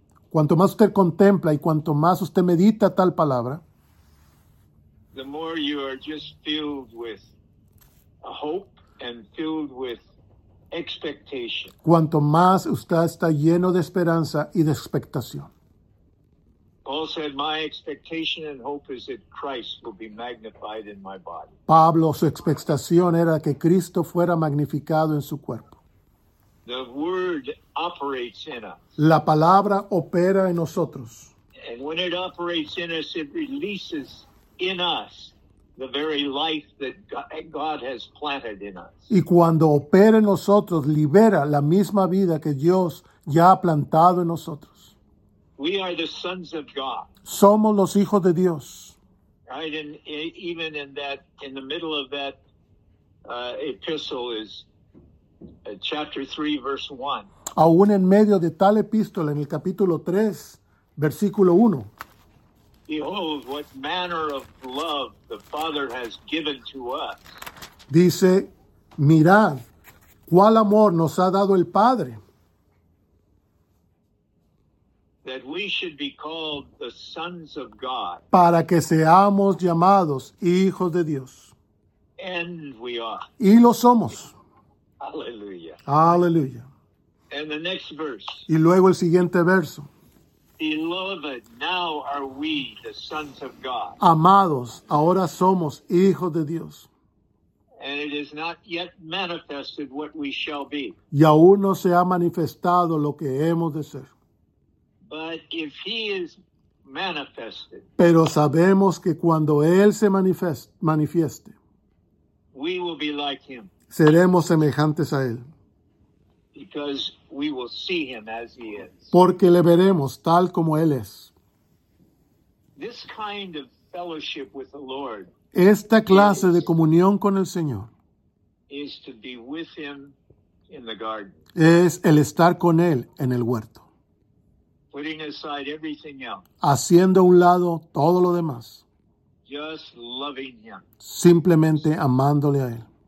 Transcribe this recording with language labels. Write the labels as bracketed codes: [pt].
[es] cuanto más usted contempla y cuanto más usted medita tal palabra, [en] the more you are just filled with a hope and filled with expectation. [es] Cuanto más usted está lleno de esperanza y de expectación. [en] Paul said, "My expectation and hope is that Christ will be magnified in my body." [es] Pablo, su expectación era que Cristo fuera magnificado en su cuerpo. [en] The word operates in us. [es] La palabra opera en nosotros. [en] And when it operates in us, it releases in us the very life that God has planted in us. [es] Y cuando opera en nosotros, libera la misma vida que Dios ya ha plantado en nosotros. [en] We are the sons of God. [es] Somos los hijos de Dios. [en] Right, and even in that, in the middle of that epistle is chapter 3, verse 1. [es] Aún en medio de tal epístola, en el capítulo 3, versículo 1. [en] Behold, what manner of love the Father has given to us. [es] Dice, mirad, cuál amor nos ha dado el Padre. [en] That we should be called the sons of God. [es] Para que seamos llamados hijos de Dios. [en] And we are. [es] Y lo somos. Aleluya. Aleluya. [en] And the next verse. [es] Y luego el siguiente verso. [en] Beloved, now are we the sons of God. [es] Amados, ahora somos hijos de Dios. [en] And it is not yet manifested what we shall be. [es] Y aún no se ha manifestado lo que hemos de ser. [en] But if he is manifested, [es] pero sabemos que cuando él se manifieste, [en] we will be like him. [es] Seremos semejantes a él. [en] Because we will see him as he is. [es] Porque le veremos tal como él es. [en] This kind of fellowship with the Lord, [es] esta clase de comunión con el Señor, [en] is to be with him in the garden. [es] Es el estar con él en el huerto. [en] Putting aside everything else. [es] Haciendo a un lado todo lo demás. [en] Just loving him. [es] Simplemente amándole a él.